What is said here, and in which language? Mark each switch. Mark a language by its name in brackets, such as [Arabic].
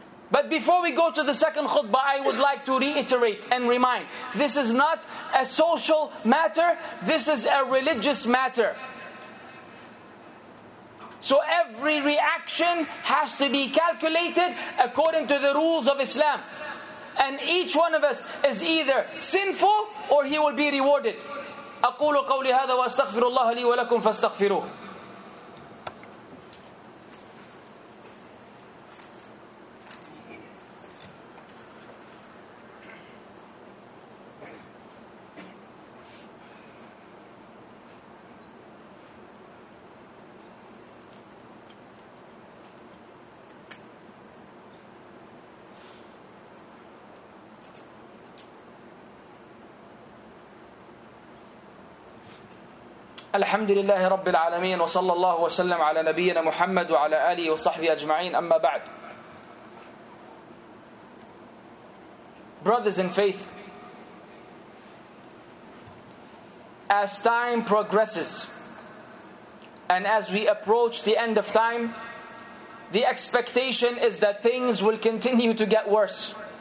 [English] But before we go to the second khutbah, I would like to reiterate and remind, this is not a social matter, this is a religious matter. So every reaction has to be calculated according to the rules of Islam. And each one of us is either sinful or he will be rewarded. [Arabic] أقول قولي هذا وأستغفر الله لي ولكم فاستغفروه. الحمد لله رب العالمين وصلى الله وسلم على نبينا محمد وعلى آله وصحبه أجمعين أما بعد. [English] Brothers in faith, as time progresses and as we approach the end of time, the expectation is that things will continue to get worse.